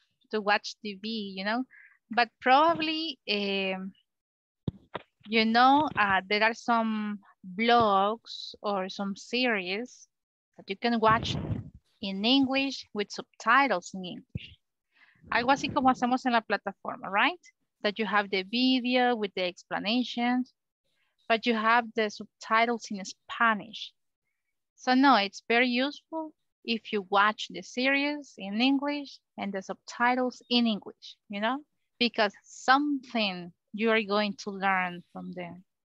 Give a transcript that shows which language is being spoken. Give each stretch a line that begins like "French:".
English: To watch TV, you know, but probably, you know, there are some blogs or some series that you can watch in English with subtitles in English.
Spanish: Algo así como hacemos en la plataforma, right?
English: That you have the video with the explanations, but you have the subtitles in Spanish. So no, it's very useful if you watch the series in English and the subtitles in English, you know, because something you are going to learn from them.